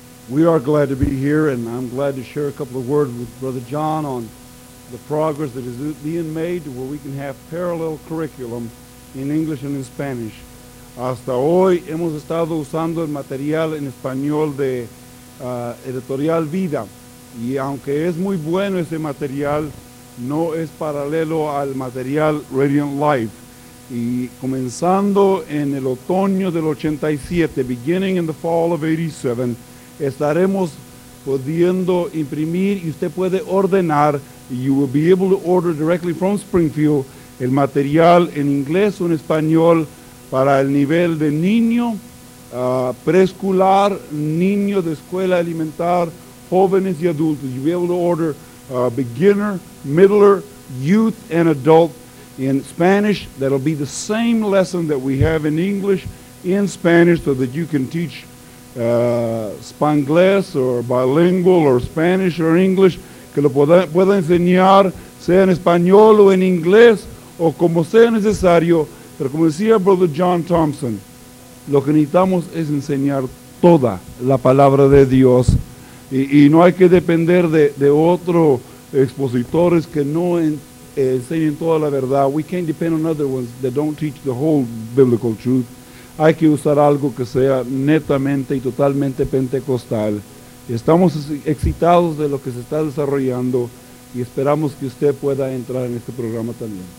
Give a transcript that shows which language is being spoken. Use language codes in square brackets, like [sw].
[en] We are glad to be here, and I'm glad to share a couple of words with Brother John on the progress that is being made to where we can have parallel curriculum in English and in Spanish. [es] Hasta hoy hemos estado usando el material en español de Editorial Vida, y aunque es muy bueno ese material, no es paralelo al material Radiant Life. Y comenzando en el otoño del 87, [en] beginning in the fall of 87, [es] estaremos pudiendo imprimir y usted puede ordenar, [en] you will be able to order directly from Springfield [es] el material en inglés o en español para el nivel de niño, preescolar, niño de escuela elemental, jóvenes y adultos. [en] You'll be able to order beginner, middler, youth, and adult in Spanish. That'll be the same lesson that we have in English in Spanish so that you can teach Spanglés or bilingual or Spanish or English, [es] que lo pueda enseñar sea en español o en inglés o como sea necesario. Pero como decía Brother John Thompson, lo que necesitamos es enseñar toda la palabra de Dios, y no hay que depender de otro expositores que no enseñen toda la verdad. [en] We can't depend on other ones that don't teach the whole biblical truth. [es] Hay que usar algo que sea netamente y totalmente pentecostal. Estamos excitados de lo que se está desarrollando y esperamos que usted pueda entrar en este programa también.